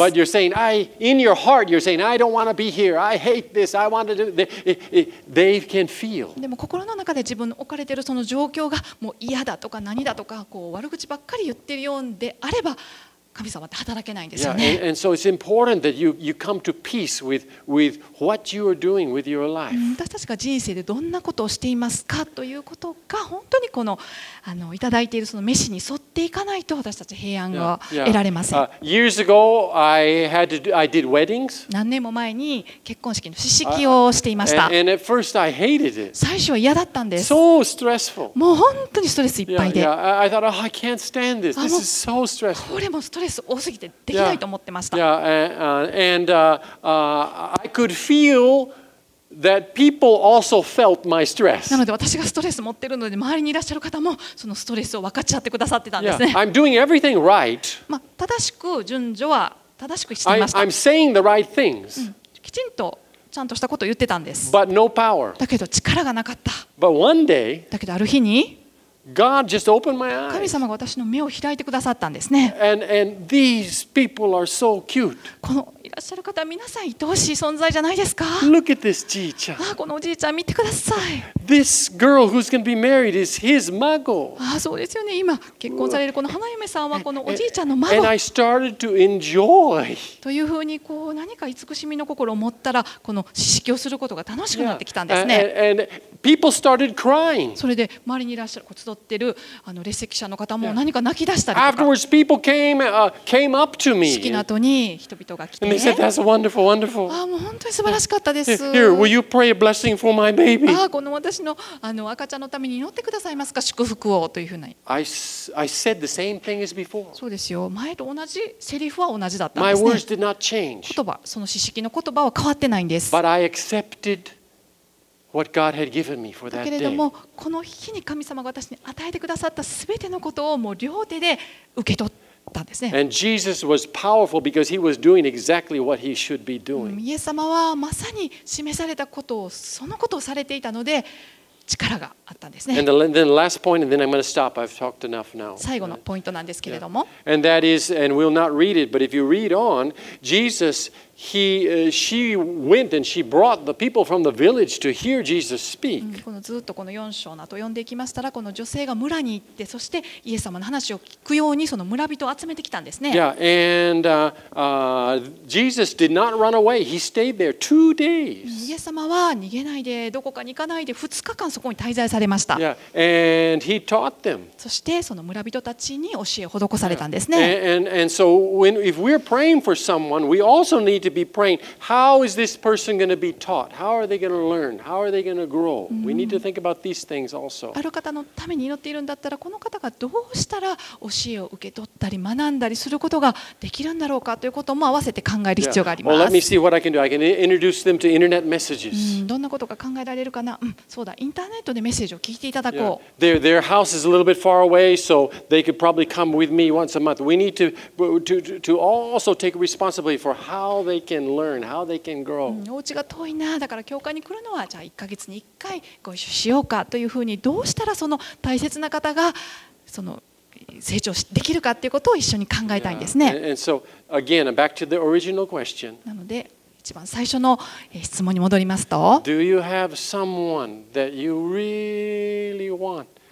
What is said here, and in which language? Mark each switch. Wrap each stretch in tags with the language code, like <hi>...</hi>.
<en>But you're saying, in your heart, you're saying, I don't want to be here. I hate this. I want to do this. They can feel.</en> <ja>でも心の中で自分の置かれてるその状況がもう嫌だとか何だとかこう悪口ばっかり言ってるようであれば神様って働けないんですよね。</ja> <en>Yeah, and so it's important that you come to peace with what you are doing with your life.</en> <ja>私たちが人生でどんなことをしていますかということが本当にこのいただいているその召しに沿っていかないと私たち平安が得られません。</ja> <en>Yeah, yeah. Years ago, I did weddings.</en> <ja>何年も前に結婚式の式辞をしていました。</ja> <en>And at first, I hated it.</en> <ja>最初は嫌だったんです。</ja> <en>So stressful.</en> <ja>もう本当にストレスいっぱいで。</ja> <en>Yeah, I thought, I can't stand this. This is so stressful.</en> <ja>これもストレス多すぎてできないと思ってました。</ja> <en>I could feel that people also felt my stress.</en> <ja>なので私がストレス持ってるので周りにいらっしゃる方もそのストレスを分かっちゃってくださってたんですね。</ja> <en>Yeah, I'm doing everything right.</en> <ja>まあ正しく順序は正しくしていました。</ja> <en>I'm saying the right things.</en> <ja>きちんとちゃんとしたことを言ってたんです。</ja> <en>But no power.</en> <ja>だけど力がなかった。</ja> <en>But one day.</en> <ja>だけどある日に。</ja> <en>God just opened my eyes.</en> <ja>神様が私の目を開いてくださったんですね。</ja> <en>And these people are so cute.</en> <ja>このいらっしゃる方皆さん愛おしい存在じゃないですか。</ja> <en>Look at this じいちゃん。</en> <ja>ああこのおじいちゃん見てください。</ja> <en>This girl who's going to be married is his 孫。</en> <ja>ああそうですよね。今結婚されるこの花嫁さんはこのおじいちゃんの孫。</ja> <en>And I started to enjoy.</en> <ja>というふうにこう何か慈しみの心を持ったらこの式をすることが楽しくなってきたんですね。</ja> <en>And people started crying.</en> <ja>それで周りにいらっしゃる集ってるあの列席者の方も何か泣き出したりとか。</ja> <en>Afterwards, people came up to me.</en> <ja>式の後に人々が来て。</ja> <en>And they said, "That's wonderful, wonderful."</en> <ja>ああもう本当に素晴らしかったです。</ja> <en>Here, will you pray a blessing for my baby?</en> <ja>ああこの私のあの赤ちゃんのために祈ってくださいますか祝福をというふうに。</ja> <en>I said the same thing as before.</en> <ja>そうですよ前と同じセリフは同じだったんですね。</ja> <en>My words did not change.</en> <ja>言葉その式の言葉は変わってないんです。</ja> <en>But I accepted. What God had given me for that day.</en> <ja>だけれどもこの日に神様が私に与えてくださったすべてのことをもう両手で受け取ったんですね。</ja> <en>And Jesus was powerful because he was doing exactly what he should be doing.</en> <ja>イエス様はまさに示されたことをそのことをされていたので力があったんですね。</ja> <en>And then last point, and then I'm going to stop. I've talked enough now.</en> <ja>最後のポイントなんですけれども。</ja> <en>And that is, and we'll not read it, but if you read on, Jesus. She went and she brought the people from the village to hear Jesus speak.</en> <ja>このずっとこの4章など読んでいきましたら、この女性が村に行って、そしてイエス様の話を聞くようにその村人を集めてきたんですね。</ja> <en>Yeah, and Jesus did not run away. He stayed there 2 days.</en> <ja>イエス様は逃げないでどこかに行かないで2日間そこに滞在されました。</ja> <en>Yeah, and he taught them.</en> <ja>そしてその村人たちに教えを施されたんですね。</ja> <en>And so when if we're praying for someone, we also needto be praying how is this person going to be taught how are they going to learn how are they going to grow we need to think about these things also</en> <ja>ある方のために祈っているんだったらこの方がどうしたら教えを受け取ったり学んだりすることができるんだろうかということも合わせて考える必要があります。</ja> <en>Well, let me see what I can do. I can introduce them to internet messages.</en> <ja>どんなことが考えられるかな。そうだ、インターネットでメッセージを聞いていただこう。</ja> <en>Yeah. Their house is a little bit far away so they could probably come with me once a month. We need to also take responsibility for howthey can learn, how they can grow.</en> <ja>お家が遠いな、だから教会に来るのはじゃあ1ヶ月に1回ご一緒しようかというふうにどうしたらその大切な方がその成長できるかということを一緒に考えたいんですね。</ja> <en>And so, again, back to the original question.</en> <ja>なので一番最初の質問に戻りますと、</ja> <en>Do you have someone that you really want?</en>